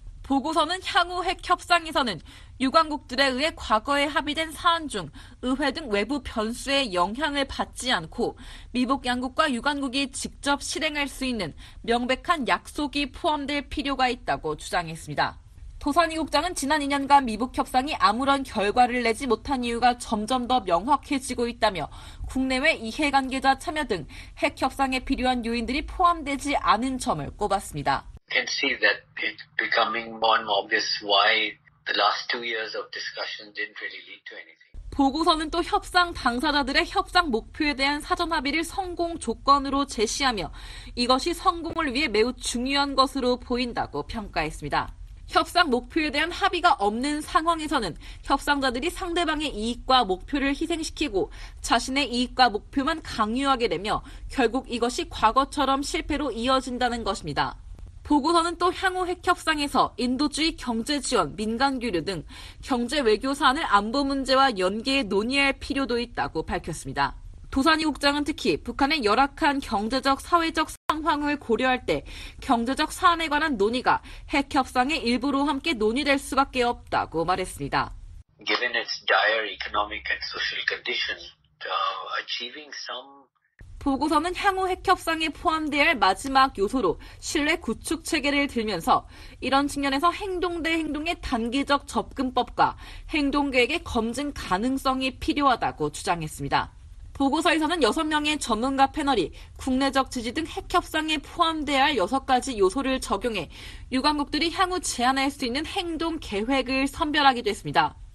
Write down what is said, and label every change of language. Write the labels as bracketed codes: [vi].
[ko] 보고서는 향후 핵 협상에서는 유관국들에 의해 과거에 합의된 사안 중 의회 등 외부 변수의 영향을 받지 않고 미북 양국과 유관국이 직접 실행할 수 있는 명백한 약속이 포함될 필요가 있다고 주장했습니다. 도산이 국장은 지난 2년간 미북 협상이 아무런 결과를 내지 못한 이유가 점점 더 명확해지고 있다며 국내외 이해관계자 참여 등 핵 협상에 필요한 요인들이 포함되지 않은 점을 꼽았습니다. [en] Can see that it's becoming more and more obvious why The last 2 years of discussion didn't really lead to anything. [ko] 보고서는 또 협상 당사자들의 협상 목표에 대한 사전 합의를 성공 조건으로 제시하며 이것이 성공을 위해 매우 중요한 것으로 보인다고 평가했습니다. 협상 목표에 대한 합의가 없는 상황에서는 협상자들이 상대방의 이익과 목표를 희생시키고 자신의 이익과 목표만 강요하게 되며 결국 이것이 과거처럼 실패로 이어진다는 것입니다. 보고서는 또 향후 핵협상에서 인도주의 경제 지원, 민간 교류 등 경제 외교 사안을 안보 문제와 연계해 논의할 필요도 있다고 밝혔습니다. 도산이 국장은 특히 북한의 열악한 경제적, 사회적 상황을 고려할 때 경제적 사안에 관한 논의가 핵협상의 일부로 함께 논의될 수밖에 없다고 말했습니다. [en] Given its dire economic and social condition, achieving some [ko] 보고서는 향후 핵협상에 포함될 마지막 요소로 신뢰 구축 체계를 들면서 이런 측면에서 행동 대 행동의 단기적 접근법과 행동계획의 검증 가능성이 필요하다고 주장했습니다. 보고서에서는 6명의 전문가 패널이 국내적 지지 등 핵협상에 포함돼야 할 6가지 요소를 적용해 유관국들이 향후 제안할 수 있는 행동 계획을 선별하기도 했습니다.